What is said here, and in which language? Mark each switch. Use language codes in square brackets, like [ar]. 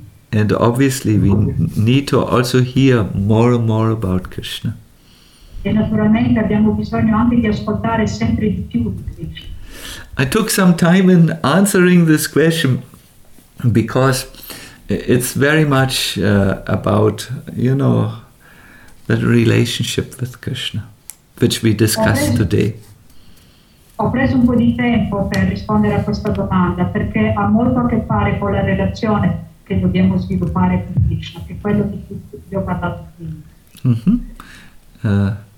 [en] And obviously we need to also hear more and more about Krishna. [it] E naturalmente abbiamo bisogno anche di ascoltare sempre di più di Krishna. [en] I took some time in answering this question because it's very much about, you know, that relationship with Krishna, which we discussed today. [it] Ho preso un po' di tempo per rispondere a questa domanda perché ha molto a che fare con la relazione che dobbiamo sviluppare con Krishna, che è quello di cui ho parlato prima.